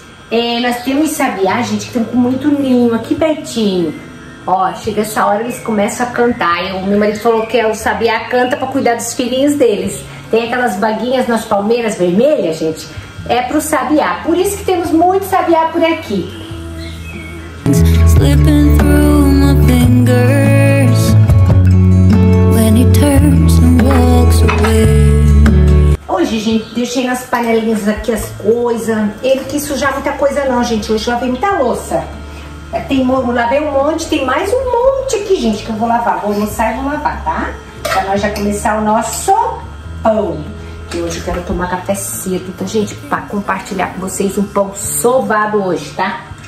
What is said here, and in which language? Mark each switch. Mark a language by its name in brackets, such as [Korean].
[Portuguese] É, nós temos sabiá, gente, que estão com muito ninho aqui pertinho. Ó, chega essa hora, eles começam a cantar. O meu marido falou que o sabiá canta pra cuidar dos filhinhos deles. Tem aquelas baguinhas nas palmeiras vermelhas, gente. É pro sabiá. Por isso que temos muito sabiá por aqui. [English] Slipping through my fingers when he turns and walks away. [Portuguese] Hoje, gente, deixei nas panelinhas aqui as coisas. Ele quis sujar muita coisa não, gente. Hoje eu lavei muita louça. Tem, lavei um monte, tem mais um monte aqui, gente, que eu vou lavar. Vou almoçar e vou lavar, tá? Pra nós já começar o nosso pão. Que hoje eu quero tomar café cedo. Então, gente, pra compartilhar com vocês um pão sovado hoje, tá?